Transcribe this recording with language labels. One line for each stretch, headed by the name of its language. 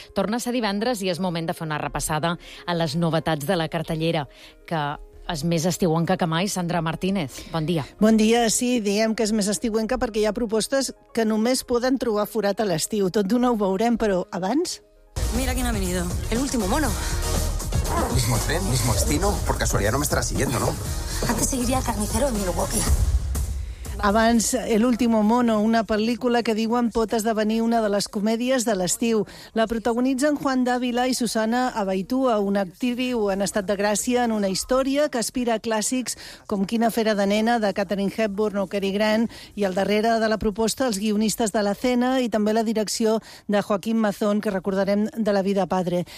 Catalan: Torna a ser divendres i és moment de fer una repassada a les novetats de la cartellera, que és més estiuenca que mai. Sandra Martínez, bon dia. Bon dia, sí, diem que és més estiuenca perquè hi ha propostes que només poden trobar forat a l'estiu. Tot d'una ho veurem, però abans...
Spanish: Mira quién ha venido, el último mono. Mismo tren, mismo destino. Por casualidad no me estará siguiendo, ¿no? Antes seguiría el carnicero en Milwaukee.
Catalan: Abans, El último mono, una pel·lícula que diuen pot esdevenir una de les comèdies de l'estiu. La protagonitzen Juan Dávila i Susana Abaitua, una actriu en estat de gràcia en una història que aspira a clàssics com Quina fera de nena, de Katharine Hepburn o Cary Grant, i al darrere de la proposta els guionistes de l'escena i també la direcció de Joaquín Mazón, que recordarem de La vida padre.